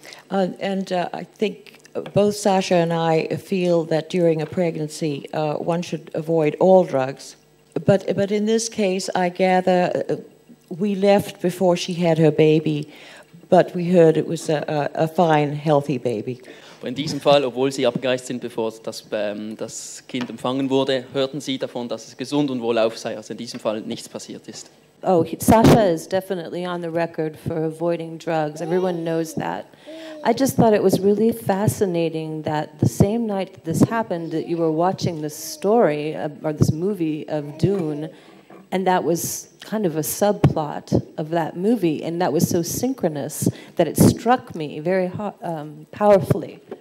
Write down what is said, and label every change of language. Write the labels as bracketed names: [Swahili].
[English] I think both Sasha and I feel that during a pregnancy, one should avoid all drugs. But in this case, I gather we left before she had her baby, but we heard it was a fine, healthy baby. [German] In diesem Fall, obwohl sie abgereist sind, bevor das Kind empfangen wurde, hörten sie davon, dass es gesund und wohlauf sei, also in diesem Fall nichts passiert ist. [English] Oh, Sasha is definitely on the record for avoiding drugs. Everyone knows that. I just thought it was really fascinating that the same night that this happened, that you were watching this story, or this movie of Dune, and that was kind of a subplot of that movie, and that was so synchronous that it struck me very powerfully.